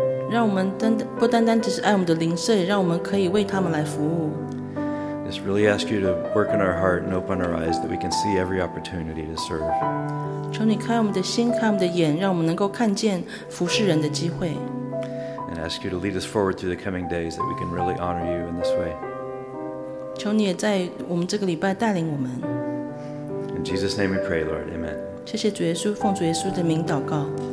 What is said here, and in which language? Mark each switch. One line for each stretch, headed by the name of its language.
Chinese: 让我们不单单只是爱我们的邻舍，让我们可以为他们来服务。
English: Just really ask you to work in our heart and open our eyes that we can see every opportunity to serve.
Chinese: 求你开我们的心，开我们的眼，让我们能够看见服侍人的机会。
English: And ask you to lead us forward through the coming days that we can really honor you in this way.
Chinese: 求你也在我们这个礼拜带领我们。
English: In Jesus' name we pray, Lord. Amen.
Chinese: 谢谢主耶稣，奉主耶稣的名祷告。